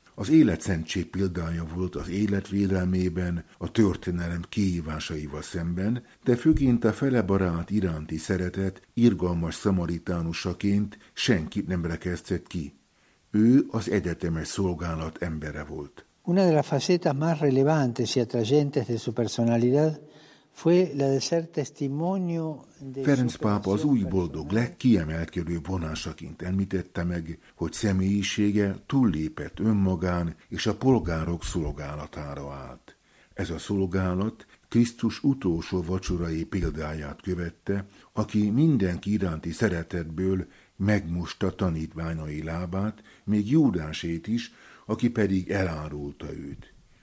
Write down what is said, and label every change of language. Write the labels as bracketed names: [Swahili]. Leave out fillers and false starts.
[Hungarian] Az életszentség példája volt az életvédelmében, a történelem kihívásaival szemben, de főként a fele barát iránti szeretet irgalmas szamaritánusaként senkit nem rekesztett ki. Ő az egyetemes szolgálat embere volt. [Spanish] Una de las facetas más relevantes y atrayentes de su personalidad fue la de ser testimonio de [Hungarian] Ferenc pápa az új boldog legkiemelkedő vonásaként említette meg, hogy személyisége túllépett önmagán és a polgárok szolgálatára állt. Ez a szolgálat Krisztus utolsó vacsorai példáját követte, aki mindenki iránti szeretetből megmosta tanítványai lábát, még Júdásét is, aki pedig elárulta őt.